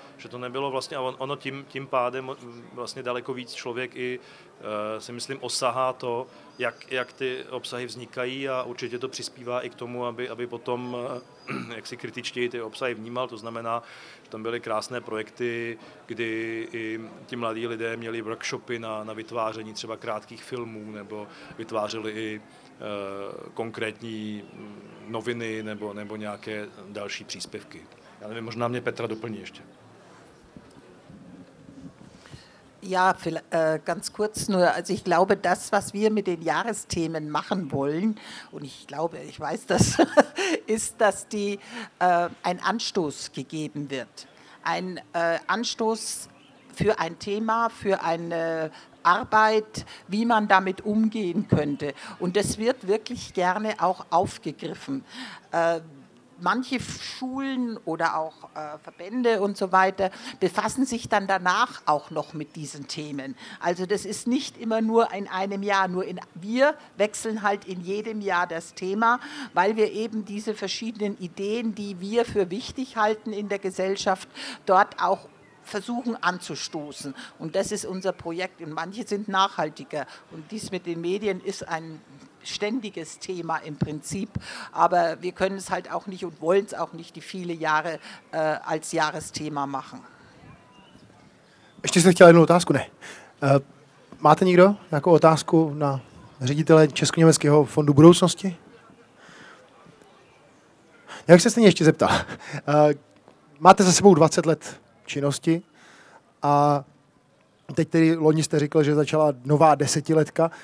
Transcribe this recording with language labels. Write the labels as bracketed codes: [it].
[cs] Že to nebylo vlastně, a ono tím pádem vlastně daleko víc člověk i si myslím osahá to, jak ty obsahy vznikají a určitě to přispívá i k tomu, aby potom jak si kritičtěji ty obsahy vnímal, to znamená, že tam byly krásné projekty, kdy i ti mladí lidé měli workshopy na vytváření třeba krátkých filmů nebo vytvářeli i konkrétní noviny nebo nějaké další příspěvky. Já nevím, možná mě Petra doplní ještě. [de] Ja, ganz kurz nur, also ich glaube, das, was wir mit den Jahresthemen machen wollen, und ich glaube, ich weiß das, ist, dass die ein Anstoß gegeben wird. Ein Anstoß für ein Thema, für eine Arbeit, wie man damit umgehen könnte. Und das wird wirklich gerne auch aufgegriffen. Manche Schulen oder auch Verbände und so weiter befassen sich dann danach auch noch mit diesen Themen. Also das ist nicht immer nur in einem Jahr, wir wechseln halt in jedem Jahr das Thema, weil wir eben diese verschiedenen Ideen, die wir für wichtig halten in der Gesellschaft, dort auch versuchen anzustoßen. Und das ist unser Projekt. Und manche sind nachhaltiger. Und dies mit den Medien ist ein ständiges Thema im Prinzip, aber wir können es halt auch nicht und wollen es auch nicht die viele Jahre als Jahresthema machen. [cs] Ještě jste chtěla jednu otázku, ne? Máte někdo nějakou otázku na ředitele Česko-německého fondu budoucnosti? Jak se stejně ještě zeptal? Máte za sebou 20 let činnosti a teď tedy loni jste řekl, že začala nová desetiletka.